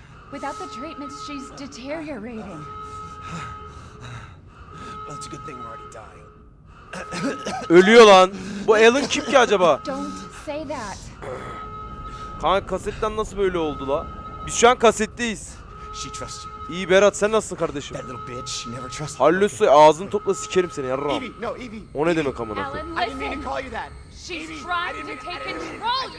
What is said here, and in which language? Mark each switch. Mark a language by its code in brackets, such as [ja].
[en] Without the treatments, she's deteriorating. Well, it's a good thing we're already dying. [tr] Ölüyor lan. Bu Alan kim ki acaba? [en] Don't say that. [tr] Kanka, kasetten nasıl böyle oldu la? Biz şu an kasetteyiz. [en] She trusts you. [tr] İyi Berat, sen nasılsın kardeşim? [en] That little bitch never trusts. [tr] Hallolsun, ağzını topla, sikerim seni yarram. [en] Evie, no Evie. [tr] O ne demek amına koyayım? [en] Alan, listen. I didn't mean to call you that. She's trying to take control.